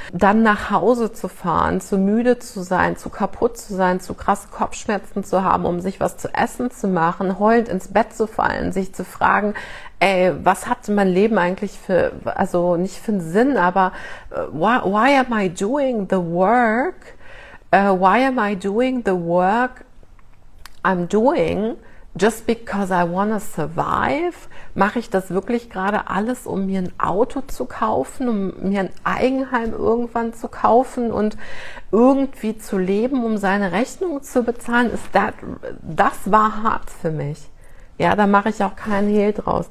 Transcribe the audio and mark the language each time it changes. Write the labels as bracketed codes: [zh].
[de] Dann nach Hause zu fahren, zu müde zu sein, zu kaputt zu sein, zu krasse Kopfschmerzen zu haben, um sich was zu essen zu machen, heulend ins Bett zu fallen, sich zu fragen, ey, was hat mein Leben eigentlich für, also nicht für einen Sinn, aber [en] why am I doing the work? Why am I doing the work I'm doing just because I want to survive? [de] Mache ich das wirklich gerade alles, um mir ein Auto zu kaufen, um mir ein Eigenheim irgendwann zu kaufen und irgendwie zu leben, um seine Rechnung zu bezahlen? Das war hart für mich. Ja, da mache ich auch keinen Hehl draus.